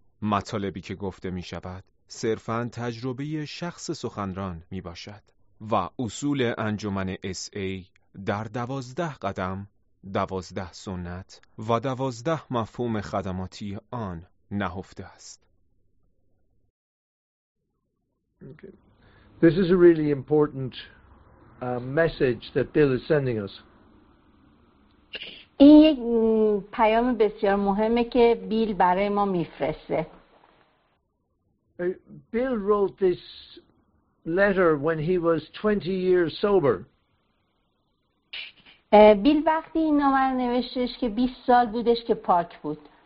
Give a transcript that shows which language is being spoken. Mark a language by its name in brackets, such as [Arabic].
[Persian] مطالبی که گفته می‌شود صرفاً تجربه شخص سخنران می‌باشد و اصول انجمن SA در 12 قدم، 12 سنت و 12 مفهوم خدماتی آن نهفته است. [English] Okay. This is a really important message that Bill is sending us. [Persian] این پیام بسیار مهمه که بیل برای ما میفرسته. [English] Bill wrote this letter when he was 20 years sober. [Persian] بیل وقتی این نامه رو نوشتش که 20 سال بودش که پاک بود.